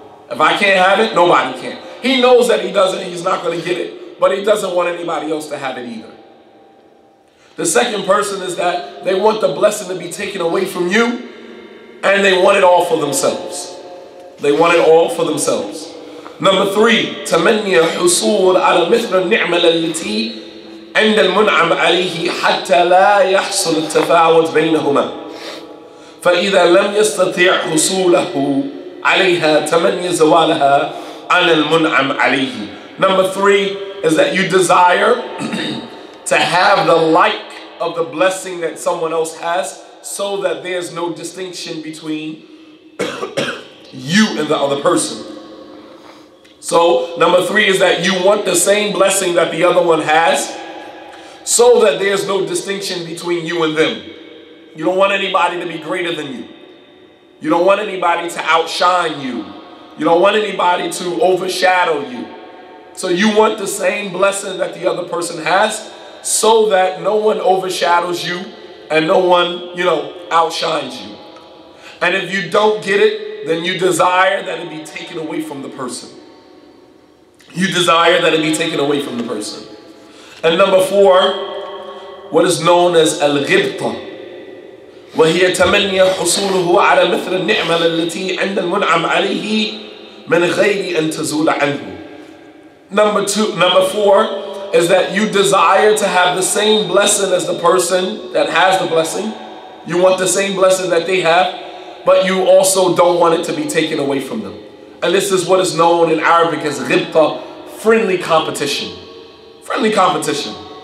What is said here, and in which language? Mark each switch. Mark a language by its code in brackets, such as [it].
[en] If I can't have it, nobody can. He knows that he's not going to get it, but he doesn't want anybody else to have it either. The second person is that they want the blessing to be taken away from you, and they want it all for themselves. They want it all for themselves. Number three, [ar] تمني الحصول على مثل النعمة التي عند المنعم عليه حتى لا يحصل التفاوت بينهما. فإذا لم يستطيع حصوله عليها تمني زوالها عن المنعم عليه. [en] Number three is that you desire to have the like of the blessing that someone else has, so that there's no distinction between you and the other person. So number three is that you want the same blessing that the other one has, so that there's no distinction between you and them. You don't want anybody to be greater than you. You don't want anybody to outshine you. You don't want anybody to overshadow you. So you want the same blessing that the other person has, so that no one overshadows you and no one, you know, outshines you. And if you don't get it, then you desire that it be taken away from the person. You desire that it be taken away from the person. And number four, what is known as al-ghibta, [ar] وَهِيَ تَمَنِّيَ حُصُولُهُ عَلَى مِثْلِ النِّعْمَةِ الَّتِي عَنْدَ الْمُنْعَمْ عَلَيْهِ مِنْ غَيْرِ أَنْ تَزُولَ عَنْهُ. [en] Number four is that you desire to have the same blessing as the person that has the blessing. You want the same blessing that they have, but you also don't want it to be taken away from them. And this is what is known in Arabic as ghibta, friendly competition. Friendly competition.